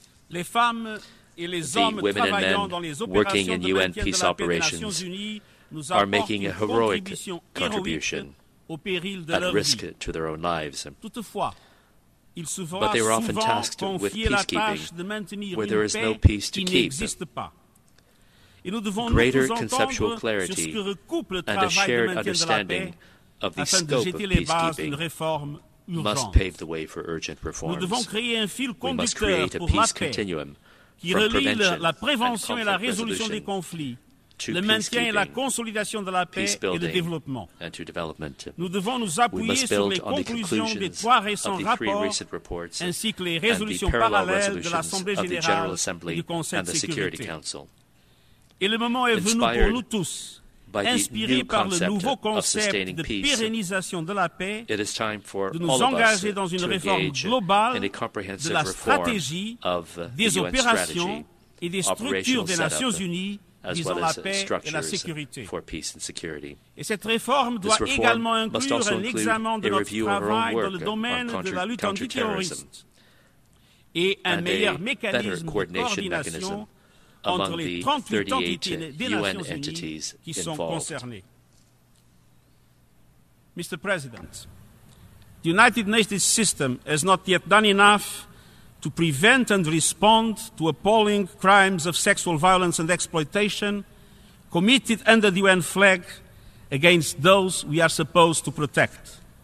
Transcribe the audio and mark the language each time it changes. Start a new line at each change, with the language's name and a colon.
French: Les femmes et les hommes travaillant dans les opérations de maintien de la paix des Nations Unies nous apportent une contribution héroïque au péril de leur vie. Toutefois,
English: But they are often tasked with peacekeeping, where there is no peace to keep. Greater conceptual clarity and a shared understanding of the scope of peacekeeping must pave the way for urgent reforms. We must create a peace continuum from prevention and conflict resolution
French: le maintien et la consolidation de la paix et le développement. Nous devons nous appuyer sur les conclusions des trois récents rapports ainsi que les résolutions parallèles de l'Assemblée générale et du Conseil de sécurité. Et le moment est venu pour nous tous, inspiré par le nouveau concept de pérennisation de la paix, de nous engager dans une réforme globale de la stratégie, des opérations et des structures des Nations Unies
English: as well as structures for peace and security.
French: Et cette réforme doit également inclure un examen de notre travail dans le domaine de la lutte antiterroriste et un meilleur mécanisme de coordination entre les 38 entités des Nations Unies qui sont concernées.
English: Mr. President, the United Nations system has not yet done enough to prevent and respond to appalling crimes of sexual violence and exploitation committed under the UN flag against those we are supposed to protect.